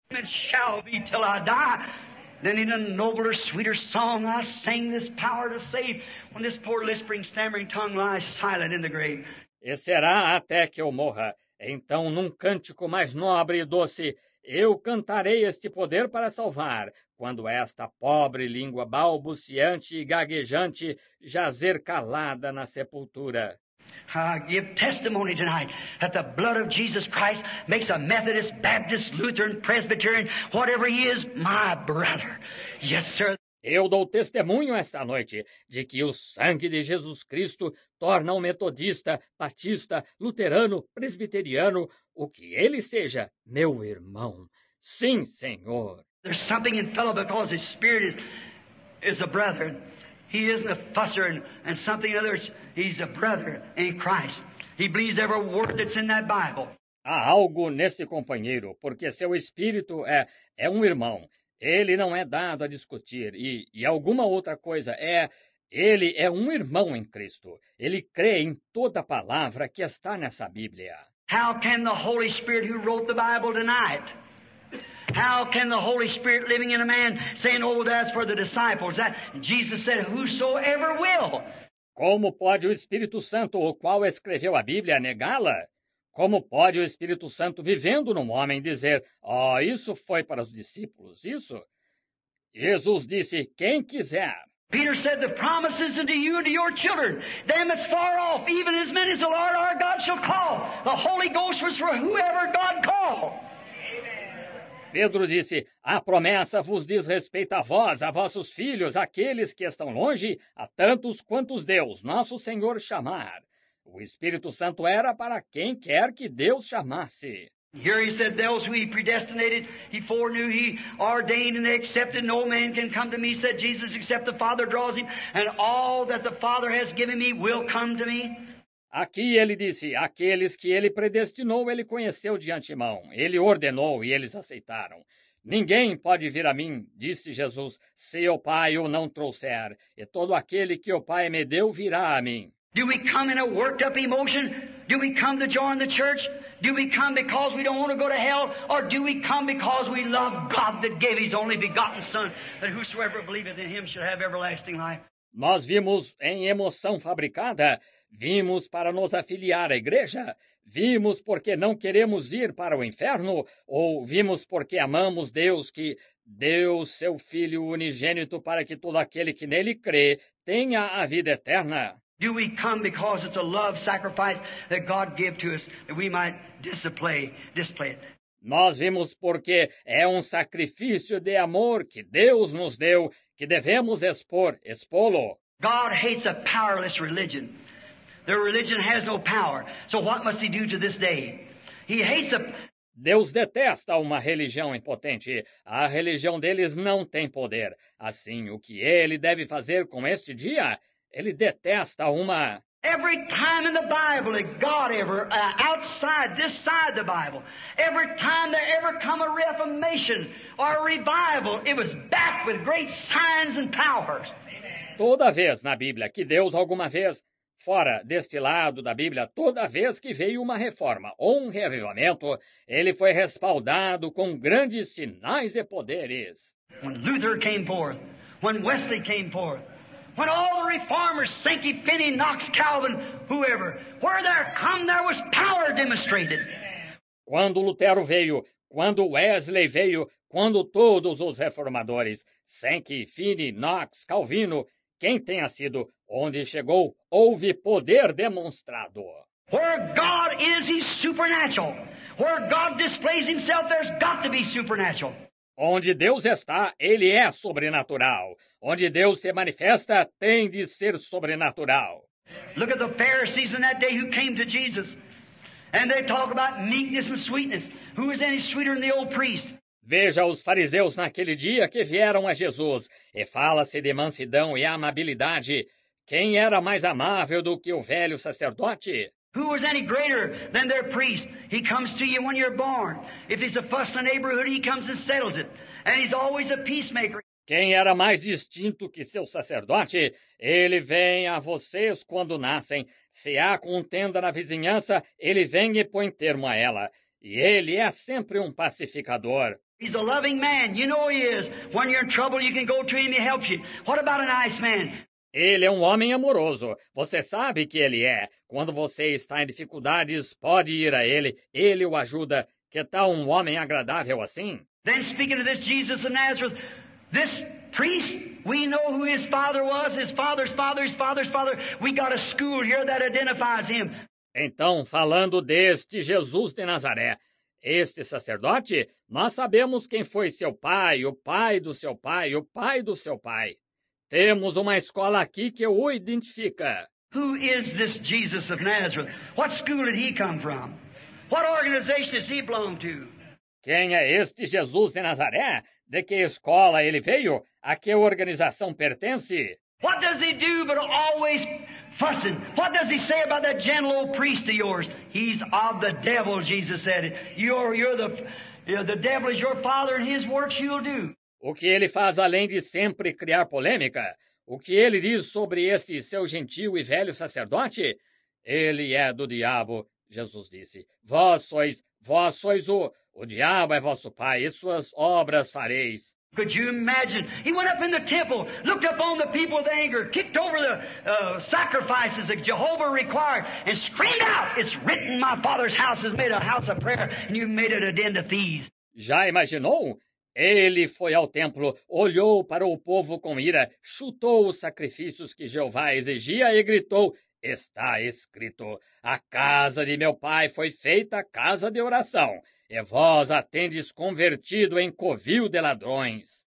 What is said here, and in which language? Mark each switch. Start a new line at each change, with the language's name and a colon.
English: It shall be till I die. Then in a nobler, sweeter song I sing this power to save, when this poor lisping, stammering tongue lies silent in the grave.
Portuguese: E será até que eu morra. Então, num cântico mais nobre e doce, eu cantarei este poder para salvar, quando esta pobre língua balbuciante e gaguejante jazer calada na sepultura.
English: Give testimony tonight that the blood of Jesus Christ makes a Methodist, Baptist, Lutheran, Presbyterian, whatever he is, my brother. Yes, sir.
Portuguese: Eu dou testemunho esta noite de que o sangue de Jesus Cristo torna um metodista, batista, luterano, presbiteriano, o que ele seja, meu irmão. Sim, senhor.
English: There's something in fellow because his spirit is a brother. He isn't a fusser and something other. He's a brother in Christ. He believes every word that's in that Bible.
Portuguese: Há algo nesse companheiro, porque seu espírito é um irmão. Ele não é dado a discutir. E alguma outra coisa ele é um irmão em Cristo. Ele crê em toda a palavra que está nessa Bíblia.
English: How can the Holy Spirit who wrote the Bible tonight? How can the Holy Spirit living in a man saying, oh, that's for the disciples? That Jesus said, whosoever will.
Portuguese: Como pode o Espírito Santo, o qual escreveu a Bíblia, negá-la? Como pode o Espírito Santo, vivendo num homem, dizer, oh, isso foi para os discípulos, isso? Jesus disse, quem quiser.
English: Peter said, the promises unto you and to your children, them that's far off, even as many as the Lord our God shall call. The Holy Ghost was for whoever God called.
Portuguese: Pedro disse, a promessa vos diz respeito a vós, a vossos filhos, àqueles que estão longe, a tantos quantos Deus, nosso Senhor, chamar. O Espírito Santo era para quem quer que Deus chamasse.
English: Here he said, those who he predestinated, he foreknew, he ordained and they accepted. No man can come to me, said Jesus, except the Father draws him, and all that the Father has given me will come to me.
Portuguese: Aqui ele disse, aqueles que ele predestinou, ele conheceu de antemão. Ele ordenou e eles aceitaram. Ninguém pode vir a mim, disse Jesus, se o Pai o não trouxer. E todo aquele que o Pai me deu virá a mim.
English: Do we come in a worked up emotion? Do we come to join the church? Do we come because we don't want to go to hell? Or do we come because we love God that gave his only begotten Son, that whosoever believeth in him should have everlasting life?
Portuguese: Nós vimos em emoção fabricada, vimos para nos afiliar à igreja, vimos porque não queremos ir para o inferno, ou vimos porque amamos Deus que deu seu Filho unigênito para que todo aquele que nele crê tenha a vida eterna.
English: Do we come because it's a love sacrifice that God gave to us that we might display it?
Portuguese: Nós vimos porque é um sacrifício de amor que Deus nos deu, que devemos expô-lo.
English: God hates a powerless religion. The religion has no power. So what must he do to this day? He hates a...
Portuguese: Deus detesta uma religião impotente. A religião deles não tem poder. Assim, o que ele deve fazer com este dia? Ele detesta uma...
English: Every time in the Bible that God ever, outside, this side of the Bible, every time there ever come a reformation or a revival, it was backed with great signs and powers.
Portuguese: Toda vez na Bíblia que Deus alguma vez, fora deste lado da Bíblia, toda vez que veio uma reforma ou um reavivamento, ele foi respaldado com grandes sinais e poderes.
English: When Luther came forth, when Wesley came forth, when all the reformers, Sankey, Finney, Knox, Calvin, whoever, where there come, there was power demonstrated.
Portuguese: Quando Lutero veio, quando Wesley veio, quando todos os reformadores, Sankey, Finney, Knox, Calvino, quem tenha sido, onde chegou, houve poder demonstrado.
English: Where God is, he's supernatural. Where God displays himself, there's got to be supernatural.
Portuguese: Onde Deus está, ele é sobrenatural. Onde Deus se manifesta, tem de ser sobrenatural.
English: Look at the Pharisees in that day who came to Jesus. And they talk about meekness and sweetness. Who is any sweeter than the old priest?
Portuguese: Veja os fariseus naquele dia que vieram a Jesus. E fala-se de mansidão e amabilidade. Quem era mais amável do que o velho sacerdote?
English: Who is any greater than their priest? He comes to you when you're born. If he's a fuss in the neighborhood, he comes and settles it. And he's always a peacemaker.
Portuguese: Quem era mais distinto que seu sacerdote? Ele vem a vocês quando nascem. Se há contenda na vizinhança, ele vem e põe termo a ela. E ele é sempre um pacificador.
English: He's a loving man. You know he is. When you're in trouble, you can go to him, he helps you. What about an ice man?
Portuguese: Ele é um homem amoroso. Você sabe que ele é. Quando você está em dificuldades, pode ir a ele. Ele o ajuda. Que tal um homem agradável assim?
English: Then speaking of this Jesus of Nazareth, this priest, we know who his father was, his father's father, his father's father. We got a school here that identifies him.
Portuguese: Então, falando deste Jesus de Nazaré, este sacerdote, nós sabemos quem foi seu pai, o pai do seu pai, o pai do seu pai. Temos uma escola aqui que o identifica.
English: Who is this Jesus of Nazareth? What school did he come from? What organization does he belong to?
Portuguese: Quem é este Jesus de Nazaré? De que escola ele veio? A que organização pertence?
English: What does he do but always fussing? What does he say about that gentle old priest of yours? He's of the devil, Jesus said. You're the devil is your father and his works you'll do.
Portuguese: O que ele faz além de sempre criar polêmica? O que ele diz sobre esse seu gentil e velho sacerdote? Ele é do diabo, Jesus disse. Vós sois o diabo é vosso pai, e suas obras fareis.
English: Could you imagine? He went up in the temple, looked up on the people with anger, kicked over the sacrifices that Jehovah required, and screamed out, it's written, my father's house is made a house of prayer, and you made it a den of thieves.
Portuguese: Já imaginou? Ele foi ao templo, olhou para o povo com ira, chutou os sacrifícios que Jeová exigia e gritou, está escrito, a casa de meu pai foi feita casa de oração, e vós a tendes convertido em covil de ladrões.